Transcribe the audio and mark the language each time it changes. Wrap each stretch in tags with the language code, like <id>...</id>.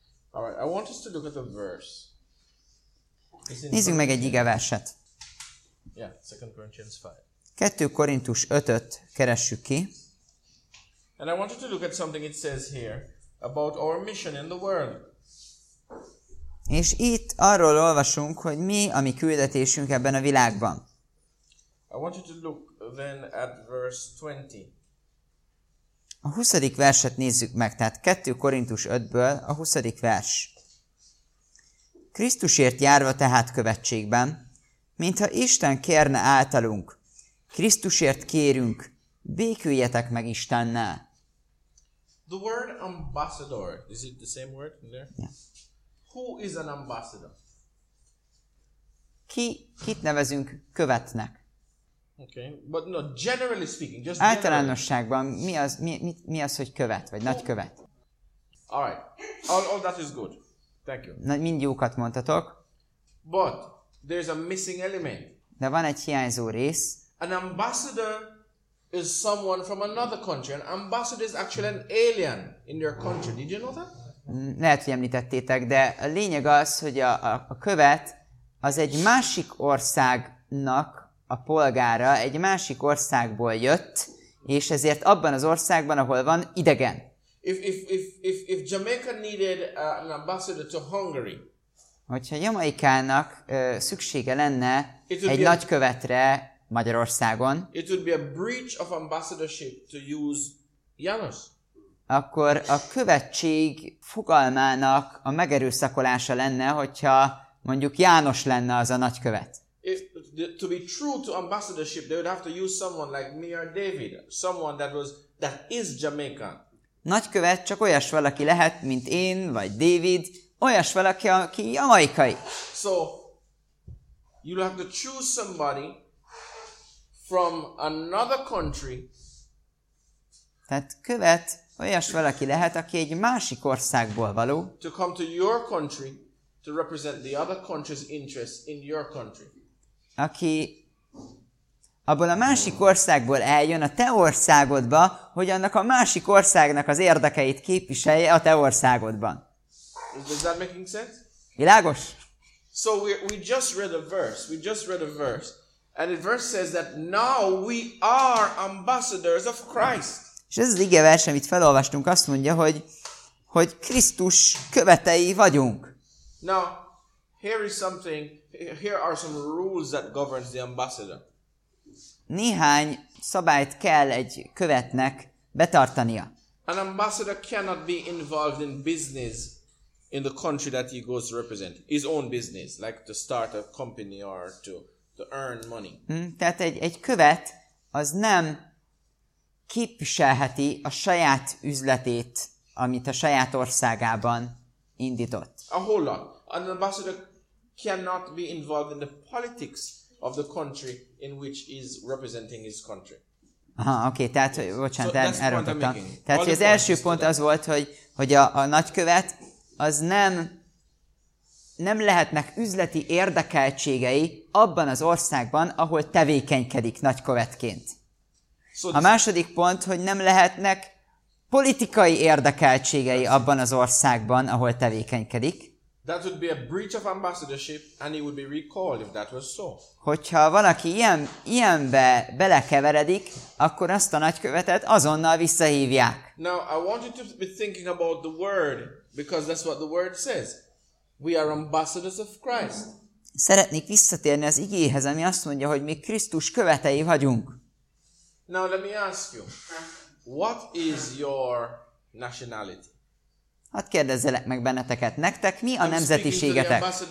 <en>All right, I want us to look at a verse.</en> <hu>Nézzük meg egy igeverset.</hu> <en>Yeah, 2 Corinthians 5.</en> <hu>2 Korintus 5-öt keressük ki.</hu> <en>And I want you to look at something it says here about our mission in the world.</en> <hu>És itt arról olvasunk, hogy mi a mi küldetésünk ebben a világban.</hu> <en>I want you to look then at verse 20.</en> <hu>A 20. verset nézzük meg, tehát 2 Korintus 5-ből a 20. vers. Krisztusért járva tehát követségben, mintha Isten kérne általunk, Krisztusért kérünk, béküljetek meg Istennel.</hu> <en>The word ambassador, is it the same word in there? Yeah. Who is an ambassador?</en> <hu>Kit nevezünk követnek?</hu> <en>Okay, but no, generally speaking, just</en> <hu>általánosságban mi az, hogy követ, vagy nagy követ?</hu> <en>All right, all that is good. Thank you.</en> <hu>Na, mind jókat mondtatok.</hu> <en>But there's a missing element.</en> <hu>De van egy hiányzó rész.</hu> <en>An ambassador is someone from another country. An ambassador is actually an alien in their country. Did you know that?</en> <hu>Lehet, hogy említettétek, de a lényeg az, hogy a követ az egy másik országnak a polgára, egy másik országból jött, és ezért abban az országban, ahol van, idegen.</hu> <en>If Jamaica needed an ambassador to Hungary,</en> <hu>hogyha Jamaikának szüksége lenne egy nagykövetre Magyarországon,</hu> <en>it would be a breach of ambassadorship to use Janus.</en> <hu>Akkor a követség fogalmának a megerőszakolása lenne, hogyha mondjuk János lenne az a nagykövet.</hu> <en>If to be true to ambassadorship, they would have to use someone like me or David, someone that is Jamaican.</en> <hu>Nagykövet csak olyas valaki lehet, mint én vagy David, olyas valaki, aki jamaikai.</hu> <en>So you have to choose somebody from another country.</en> <hu>Tehát követ olyas valaki lehet, aki egy másik országból való.</hu> <en>To come to your country to represent the other country's interests in your country.</en> <hu>Aki abból a másik országból eljön a te országodba, hogy annak a másik országnak az érdekeit képviselje a te országodban.</hu> <en>Is that making sense?</en> <hu>Világos?</hu> <en>So we just read a verse. We just read a verse. And the verse says that now we are ambassadors of Christ.</en> <hu>És ez az igevers, amit felolvastunk, azt mondja, hogy Krisztus követei vagyunk.</hu> <en>Now, here are some rules that governs the ambassador.</en> <hu>Néhány szabályt kell egy követnek betartania.</hu> <en>An ambassador cannot be involved in business in the country that he goes to represent. His own business, like to start a company or to earn money.</en> <hu>Tehát egy követ az nem képviselheti a saját üzletét, amit a saját országában indított.</hu> <en>A whole lot. An ambassador cannot be involved in the politics of the country in which is representing his country.</en> <hu>Aha, oké, tehát, hogy, bocsánat, elrontottam. Tehát, hogy az első pont az volt, hogy a nagykövet, az nem lehetnek üzleti érdekeltségei abban az országban, ahol tevékenykedik nagykövetként. A második pont, hogy nem lehetnek politikai érdekeltségei abban az országban, ahol tevékenykedik.</hu> <en>That would be a breach of ambassadorship, and he would be recalled if that was so.</en> <hu>Hogyha valaki ilyenbe belekeveredik, akkor azt a nagykövetet azonnal visszahívják.</hu> <en>Now I want you to be thinking about the word, because that's what the word says. We are ambassadors of Christ.</en> <hu>Szeretnék visszatérni az igéhez, ami azt mondja, hogy mi Krisztus követei vagyunk.</hu> <en>Now let me ask you, what is your nationality?</en> <hu>Hadd kérdezzelek meg benneteket, nektek mi a nemzetiségetek?</hu>